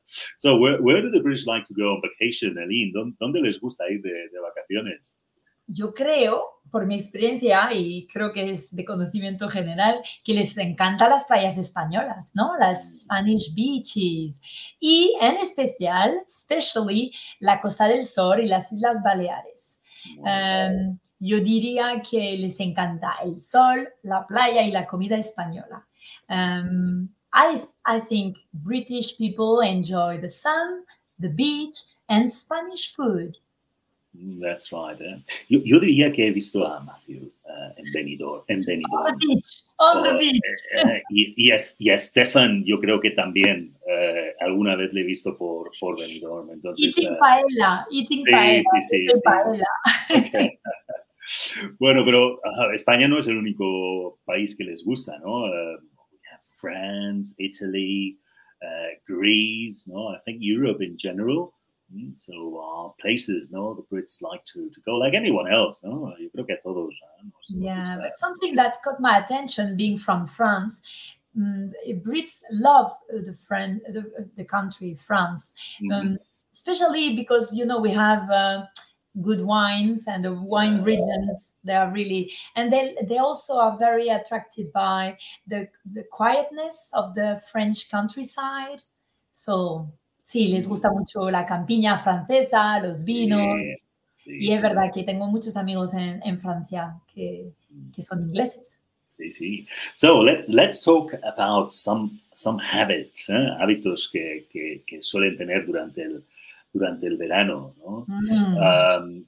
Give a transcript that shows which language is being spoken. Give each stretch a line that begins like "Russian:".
English: So, where do the British like to go on vacation, Aline?
Spanish: ¿Dónde les gusta ir de vacaciones? Yo creo, por mi experiencia, y creo que es de conocimiento general, que les encantan las playas españolas, ¿no? Las
English: Spanish beaches.
Spanish: Y en especial,
English: especially,
Spanish: la Costa del Sol y las Islas Baleares. Yo diría que les encanta el sol, la playa y la comida española.
English: I think British people enjoy the sun, the beach and Spanish food. That's right. Eh?
Spanish: Yo diría que he visto a Matthew en Benidorm.
English: On the beach. On the beach.
Spanish: Y a Stefan, yo creo que también alguna vez le he visto por Benidorm. Entonces,
English: Eating paella.
Spanish: Bueno, pero España no es el único país que les gusta, ¿no?
English: France, Italy, Greece, ¿no? I think Europe in general. So, places, no, the Brits like to go, like anyone else, no?
Spanish: Yo creo que a todos.
English: But something that caught my attention, being from France, Brits love the country, France, especially because, you know, we have good wines and the wine regions, they are really, and they also are very attracted by the quietness of the French countryside, so...
Spanish: Sí, les gusta mucho la campiña francesa, los vinos. Sí, y es verdad que tengo muchos amigos en Francia que son ingleses. Sí, sí.
English: So let's talk about some habits,
Spanish: hábitos que suelen tener durante el verano, ¿no?